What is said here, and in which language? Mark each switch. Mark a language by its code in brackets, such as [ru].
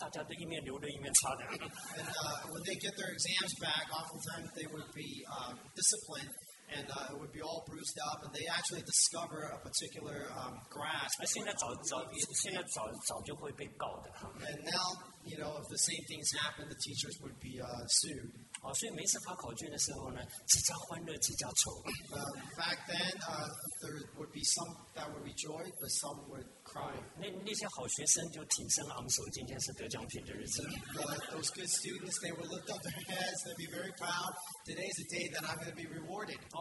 [zh] 所以我们每一次发考卷的时候，很多同学这边都肿起来，青紫一块，然后他们去发明那种一种特别的草，挖起来泡酒精，大家都一面流着一面擦的。 [en] And when they get their exams back, oftentimes they would be disciplined, and it would be all bruised up, and they actually discover a particular grass. [zh] 现在早就会被告的。 [en] And now, you know, if the same things happen, the teachers would be sued. [zh] 所以每次发考卷的时候呢，几家欢乐几家愁。 [en] Back then, there would be some that would rejoice, but some would cry. [zh] 那些好学生就挺身昂首，今天是得奖品的日子。 [en] Those good students, they would lift up their heads, they'd be very proud. Today's the day that I'm going to be rewarded.